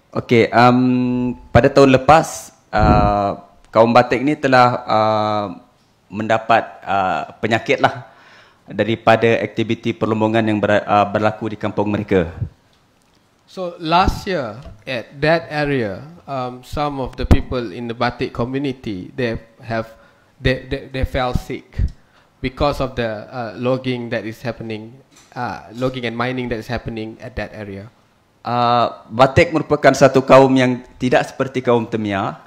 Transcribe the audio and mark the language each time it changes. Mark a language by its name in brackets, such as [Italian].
[Malay] Okey, pada tahun lepas kaum Batik ni telah mendapat penyakit lah daripada aktiviti perlombongan yang berlaku di kampung mereka. [English] So last year at that area, some of the people in the Batik community they fell sick because of the logging that is happening, logging and mining that is happening at that area. [Malay] Batik merupakan satu kaum yang tidak seperti kaum Temia.